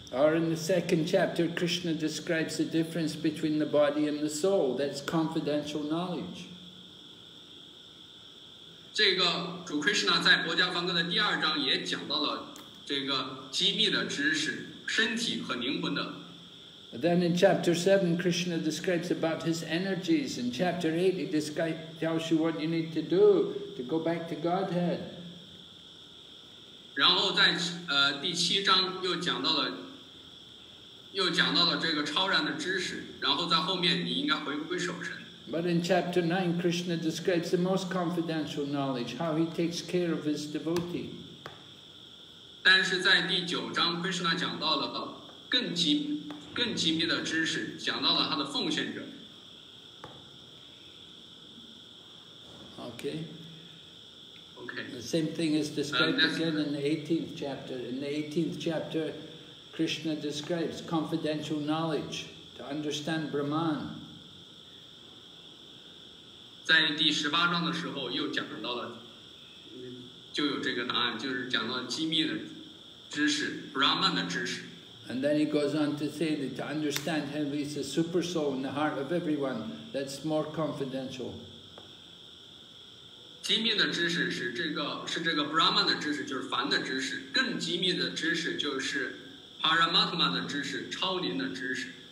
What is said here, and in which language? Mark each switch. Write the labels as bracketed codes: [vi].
[en] Or in the second chapter, Krishna describes the difference between the body and the soul. That's confidential knowledge. [zh] 这个主 Krishna 在薄伽梵歌的第二章也讲到了这个机密的知识，身体和灵魂的。 [en] Then in chapter 7, Krishna describes about his energies. In chapter 8, he tells you what you need to do to go back to Godhead. [zh] 然后在第七章又讲到了。又讲到了这个超然的知识，然后在后面你应该回归守身。 [en] But in chapter 9, Krishna describes the most confidential knowledge, how he takes care of his devotee. [zh] 但是在第九章 ，Krishna 讲到了更机密的知识，讲到了他的奉献者。 [en] Okay. Okay. The same thing is described again in the 18th chapter. In the 18th chapter. Krishna describes confidential knowledge to understand Brahman. [zh] 在第十八章的时候又讲到了，就有这个答案，就是讲到机密的知识 ，Brahman 的知识。 [en] And then he goes on to say that to understand him is the super soul in the heart of everyone. That's more confidential. [zh] 机密的知识是这个 Brahman 的知识，就是凡的知识。更机密的知识就是。Paramatma 的知识，超灵的知识。